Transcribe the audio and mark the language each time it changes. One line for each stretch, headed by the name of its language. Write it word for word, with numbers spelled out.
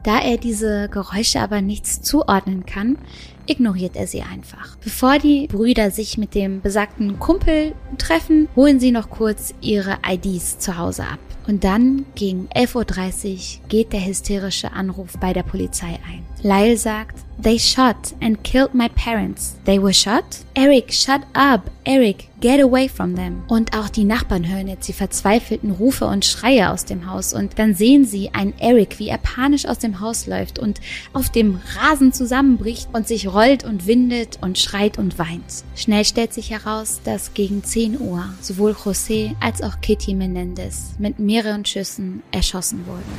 German: Da er diese Geräusche aber nichts zuordnen kann, ignoriert er sie einfach. Bevor die Brüder sich mit dem besagten Kumpel treffen, holen sie noch kurz ihre I Ds zu Hause ab. Und dann gegen elf Uhr dreißig geht der hysterische Anruf bei der Polizei ein.
English: Lyle
German: sagt,
English: "They shot and killed my parents. They were shot? Eric, shut up. Eric, get away from them."
German: Und auch die Nachbarn hören jetzt die verzweifelten Rufe und Schreie aus dem Haus. Und dann sehen sie einen Eric, wie er panisch aus dem Haus läuft und auf dem Rasen zusammenbricht und sich rollt und windet und schreit und weint. Schnell stellt sich heraus, dass gegen zehn Uhr sowohl José als auch Kitty Menendez mit mehreren Schüssen erschossen wurden.